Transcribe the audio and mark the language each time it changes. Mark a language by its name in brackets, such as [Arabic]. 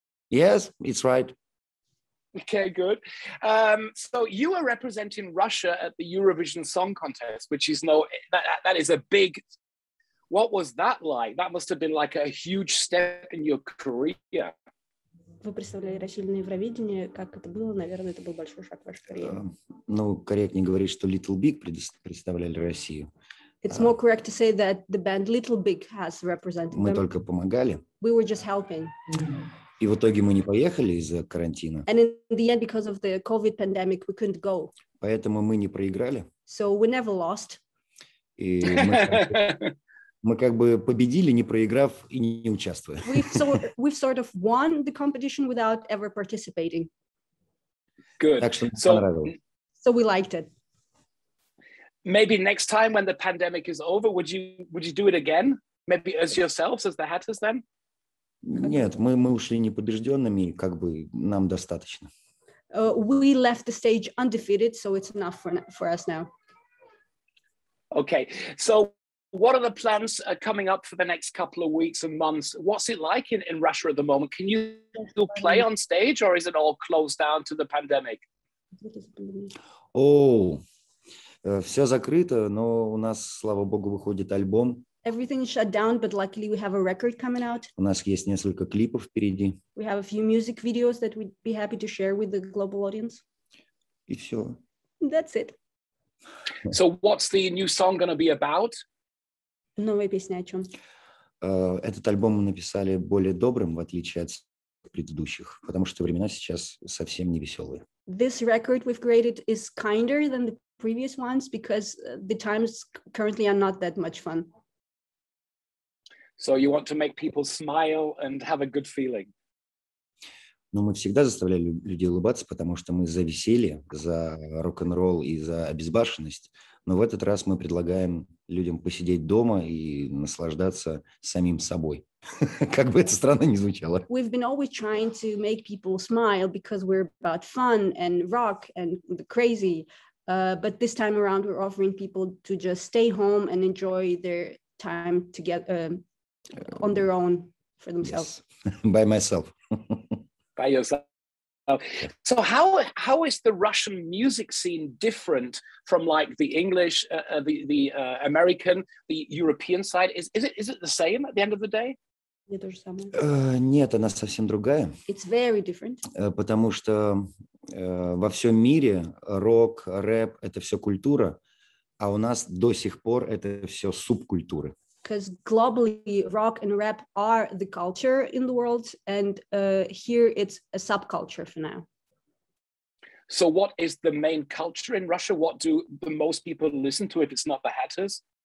[English] Yes, it's right. Okay, good. So you are representing Russia at the Eurovision Song Contest, which is that is a big. What was that like? That must have been like a huge step in your career. [Russian] Вы представляли Россию на Евровидении, как это было? Наверное, это был большой шаг в вашей карьере. Ну, корректнее говорить, что Little Big представляли Россию. [English] It's more correct to say that the band Little Big has represented [Russian] мы [English] them. [Russian] Только помогали. [English] We were just helping. Mm-hmm. [Russian] И в итоге мы не поехали из-за карантина. [English] And in the end, because of the COVID pandemic, we couldn't go. [Russian] Поэтому мы не проиграли. [English] So we never lost. [Russian] И мы... Мы как бы победили, не проиграв и не участвуя. [English] We've sort of won the competition without ever participating. Good. [Russian] Так что нам понравилось. [English] So we liked it. Maybe next time when the pandemic is over, would you do it again? Maybe as yourselves, as the Hatters then? [Russian] Нет, мы ушли непобежденными, как бы нам достаточно. [English] We left the stage undefeated, so it's enough for us now. Okay, so what are the plans coming up for the next couple of weeks and months? What's it like in Russia at the moment? Can you still play on stage, or is it all closed down to the pandemic? [Russian] Oh, все закрыто, но у нас, слава богу, выходит альбом. [English] Everything is shut down, but luckily we have a record coming out. [Russian] У нас есть несколько клипов впереди. [English] We have a few music videos that we'd be happy to share with the global audience. [Russian] И все. [English] That's it. So what's the new song going to be about? [Russian] Новая песня о чем? Этот альбом мы написали более добрым, в отличие от предыдущих, потому что времена сейчас совсем не веселые. [English] This record we've created is kinder than the previous ones because the times currently are not that much fun. So you want to make people smile and have a good feeling. [Russian] Но мы всегда заставляли людей улыбаться, потому что мы за веселье, за рок-н-ролл и за обезбашенность. Но в этот раз мы предлагаем людям посидеть дома и наслаждаться самим собой. Как бы это странно ни звучало. [English] We've been always trying to make people smile because we're about fun and rock and the crazy. But this time around we're offering people to just stay home and enjoy their time together. On their own, for themselves. Yes. By myself. By yourself. Okay. So how is the Russian music scene different from like the English, the American, the European side? Is it the same at the end of the day? [Russian] Нет, она совсем другая. [English] It's very different. [Russian] Потому что во всем мире рок, рэп – это все культура, а у нас до сих пор это все субкультуры. [English] Because globally, rock and rap are the culture in the world, and here it's a subculture for now. So what is the main culture in Russia? What do the most people listen to if it's not the Hatters?